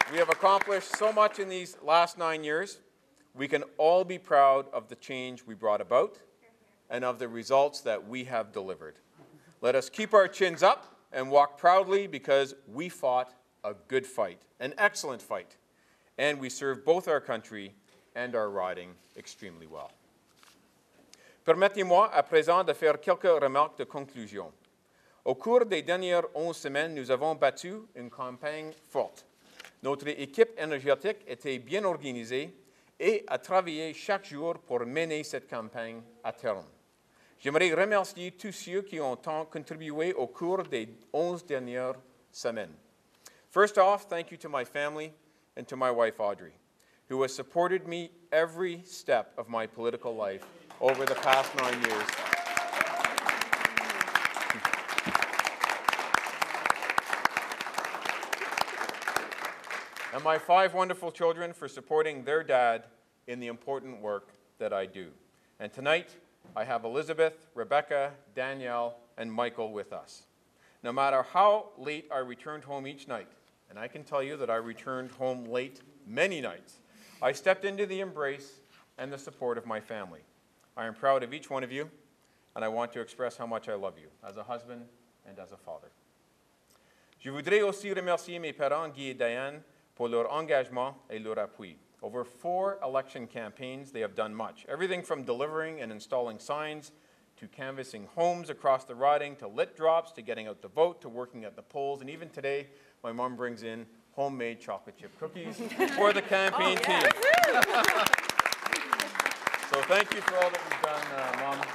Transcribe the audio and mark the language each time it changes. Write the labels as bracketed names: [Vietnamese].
[English] Accomplished so much in these last 9 years, we can all be proud of the change we brought about and of the results that we have delivered. Let us keep our chins up and walk proudly, because we fought a good fight, an excellent fight, and we served both our country and our riding extremely well. [French] Permettez-moi à présent de faire quelques remarques de conclusion. Au cours des dernières 11 semaines, nous avons battu une campagne forte. Notre équipe énergétique était bien organisée et a travaillé chaque jour pour mener cette campagne à terme. J'aimerais remercier tous ceux qui ont tant contribué au cours des 11 dernières semaines. [English] First off, thank you to my family and to my wife Audrey, who has supported me every step of my political life over the past 9 years. And my 5 wonderful children for supporting their dad in the important work that I do. And tonight, I have Elizabeth, Rebecca, Danielle, and Michael with us. No matter how late I returned home each night, and I can tell you that I returned home late many nights, I stepped into the embrace and the support of my family. I am proud of each one of you, and I want to express how much I love you as a husband and as a father. [French] Je voudrais aussi remercier mes parents, Guy et Diane, pour leur engagement et leur appui. [English] Over 4 election campaigns, they have done much. Everything from delivering and installing signs, to canvassing homes across the riding, to lit drops, to getting out the vote, to working at the polls, and even today, my mom brings in homemade chocolate chip cookies for the campaign team. So thank you for all that you've done, Mom.